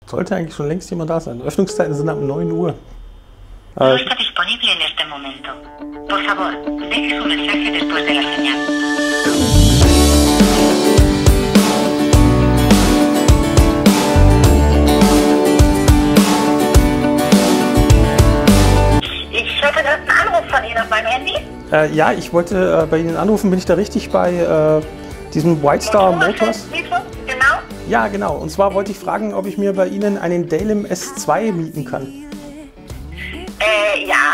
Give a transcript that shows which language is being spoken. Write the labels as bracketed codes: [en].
[de] Sollte eigentlich schon längst jemand da sein. Öffnungszeiten sind ab 9 Uhr. [es] No está disponible en este momento. Por favor, deje su mensaje después de la señal. [de] Ich hatte gerade einen Anruf von Ihnen auf meinem Handy. Ja, ich wollte bei Ihnen anrufen, bin ich da richtig bei diesem White Star Motors? Genau. Ja, genau. Und zwar wollte ich fragen, ob ich mir bei Ihnen einen Dalem S2 mieten kann. Ja.